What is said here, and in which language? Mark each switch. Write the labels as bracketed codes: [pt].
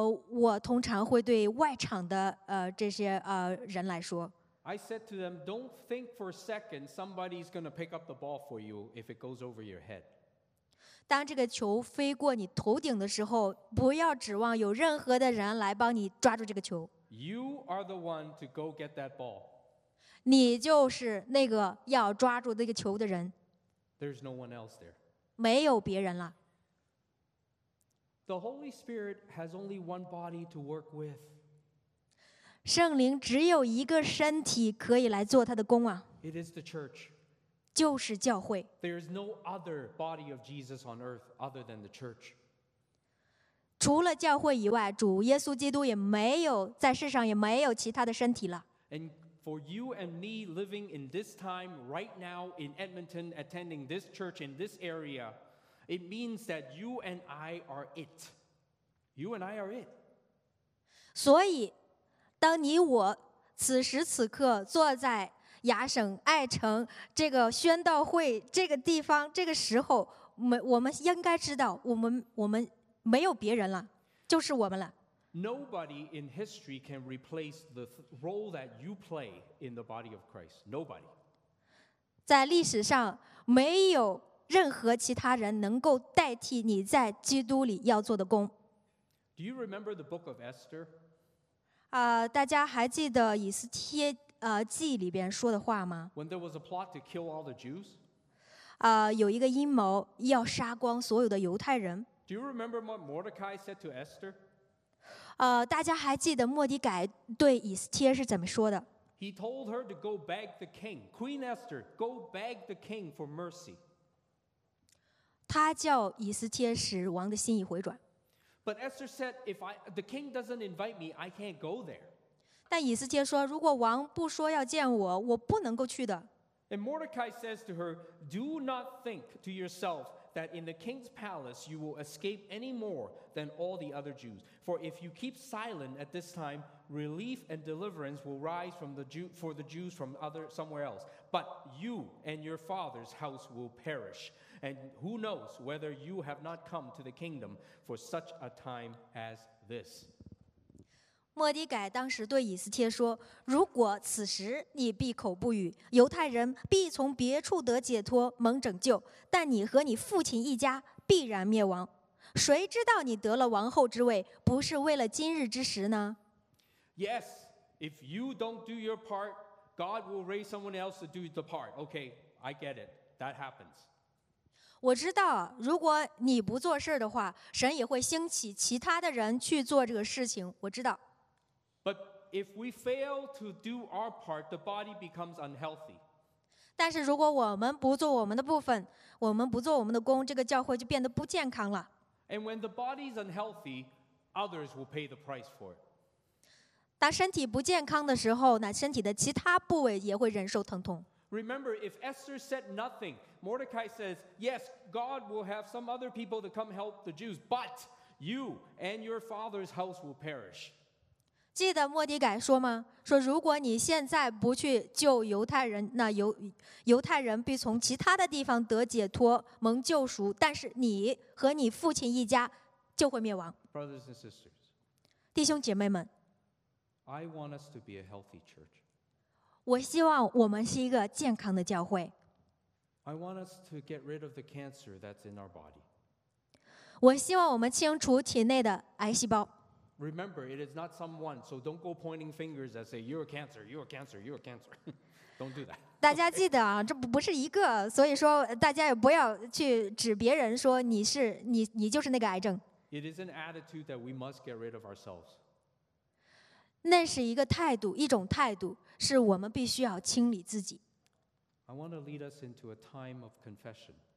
[zh] 我通常会对外场的这些人来说 [en] ，I said to them, "Don't think for a second somebody's going to pick up the ball for you if it goes over your head." [zh] 当这个球飞过你头顶的时候，不要指望有任何的人来帮你抓住这个球。 [en] You are the one to go get that ball. [zh] 你就是那个要抓住那个球的人。 [en] There's no one else there. [zh] 没有别人了。 [en] The Holy Spirit has only one body to work with. [zh] 圣灵只有一个身体可以来做他的工啊。 [en] It is the church. [zh] 就是教会。 [en] There is no other body of Jesus on earth other than the church. [zh] 除了教会以外，主耶稣基督也没有在世上也没有其他的身体了。 [en] And for you and me living in this time, right now in Edmonton, attending this church in this area, it means that you and I are it. You and I are it. [zh] 所以，当你我此时此刻坐在亚省爱城这个宣道会这个地方这个时候我们应该知道我们没有别人了就是我们了 [en] Nobody in history can replace the role that you play in the body of Christ. Nobody. [zh] 在历史上没有任何其他人能够代替你在基督里要做的工。 [en] Do you remember the book of Esther? [zh] 大家还记得以斯帖记里边说的话吗 [en] ？When there was a plot to kill all the Jews. [zh] 有一个阴谋要杀光所有的犹太人。 [en] Do you remember what Mordecai said to Esther? [zh] 大家还记得莫迪改对以斯帖是怎么说的 [en] ？He told her to go beg the king, Queen Esther, go beg the king for mercy. [zh] 他叫以斯帖使王的心意回转。 [en] But Esther said, if the king doesn't invite me, I can't go there. [zh] 但以斯帖说，如果王不说要见我，我不能够去的。 [en] And Mordecai says to her, do not think to yourself. That in the king's palace you will escape any more than all the other Jews. For if you keep silent at this time, relief and deliverance will rise from the Jew, for the Jews from other, somewhere else. But you and your father's house will perish. And who knows whether you have not come to the kingdom for such a time as this. [zh] 莫迪改当时对以斯帖说，如果此时你闭口不语，犹太人必从别处得解脱，蒙拯救。但你和你父亲一家必然灭亡。谁知道你得了王后之位，不是为了今日之时呢 [en] ？Yes, if you don't do your part, God will raise someone else to do the part. Okay, I get it. That happens. [zh] 我知道，如果你不做事的话，神也会兴起其他的人去做这个事情。我知道。 [en] But if we fail to do our part, the body becomes unhealthy. [zh] 但是如果我们不做我们的部分，我们不做我们的工，这个教会就变得不健康了。 [en] And when the body is unhealthy, others will pay the price for it. [zh] 当身体不健康的时候，那身体的其他部位也会忍受疼痛。 [en] Remember, if Esther said nothing, Mordecai says, yes, God will have some other people to come help the Jews, but you and your father's house will perish. [zh] 记得莫迪改说吗？说如果你现在不去救犹太人，那犹太人必从其他的地方得解脱，蒙救赎。但是你和你父亲一家就会灭亡。 [en] Brothers and sisters, [zh] 弟兄姐妹们 [en] ，I want us to be a healthy church. [zh] 我希望我们是一个健康的教会。 [en] I want us to get rid of the cancer that's in our body. [zh] 我希望我们清除体内的癌细胞。 [en] Remember, it is not someone, so don't go pointing fingers and say, you're a cancer, you're a cancer, you're a cancer. Don't do that. [zh] 大家记得啊，这不是一个，所以说大家也不要去指别人说你就是那个癌症。 [en] It is an attitude that we must get rid of ourselves. [zh] 那是一个态度，一种态度，是我们必须要清理自己。 [en] I want to lead us into a time of confession.